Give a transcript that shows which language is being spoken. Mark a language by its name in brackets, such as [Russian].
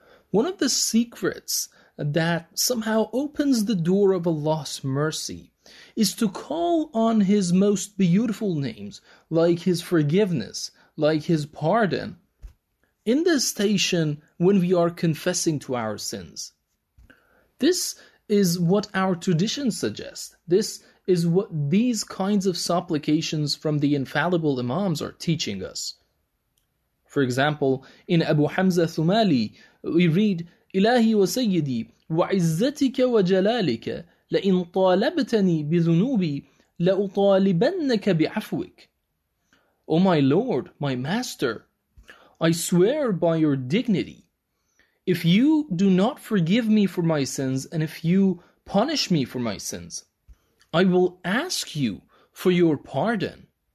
[English] One of the secrets that somehow opens the door of Allah's mercy is to call on His most beautiful names, like His forgiveness, like His pardon, in this station when we are confessing to our sins. This is what our tradition suggests. This is what these kinds of supplications from the infallible Imams are teaching us. For example, in Abu Hamza Thumali, we read, [Arabic] إِلَهِ وَسَيِّدِي وَعِزَّتِكَ وَجَلَالِكَ لَإِنْ طَالَبْتَنِي بِذُنُوبِي لَأُطَالِبَنَّكَ بِعَفْوِكَ. [English] O my Lord, my Master, I swear by your dignity, if you do not forgive me for my sins and if you punish me for my sins, I will ask you for your pardon.